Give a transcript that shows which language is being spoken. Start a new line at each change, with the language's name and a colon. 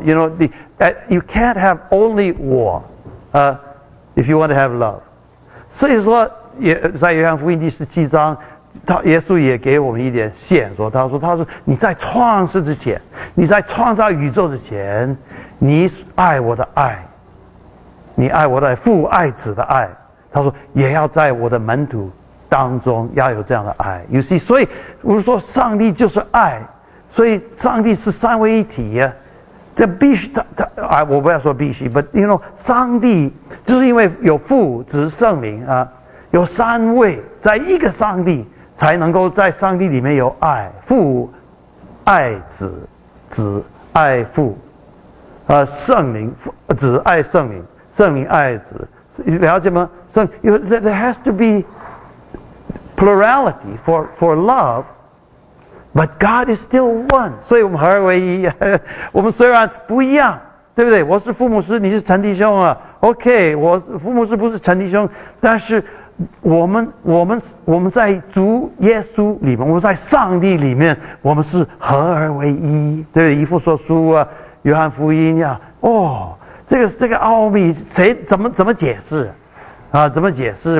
English: You know， you can't have only 我，if you want to have love。
Chinese: 所以说也在约翰福音第十七章，他耶稣也给我们一点线索，他说你在创世之前，你在创造宇宙之前，你爱我的爱，父爱子的爱，他说也要在我的门徒当中要有这样的爱。 You see， 所以我说上帝就是爱，所以上帝是三位一体啊，这必须他，我不要说必须 ，but you know， 上帝就是因为有父、子、圣灵啊，有三位，在一个上帝才能够在上帝里面有爱，父爱子，子爱父，圣灵子爱圣灵，圣灵爱子，了解吗？
English: 所以 there has to be plurality for love， But God is still one. 所以我们合而为一。
Chinese: 我们虽然不一样，对不对？我是父母师，你是陈弟兄啊。 OK， 我父母师不是陈弟兄，但是我们在主耶稣里面，我们在上帝里面，我们是合而为一，对不对？以弗所书啊，约翰福音啊，哦，这个奥秘谁怎么解释？啊，怎么解释？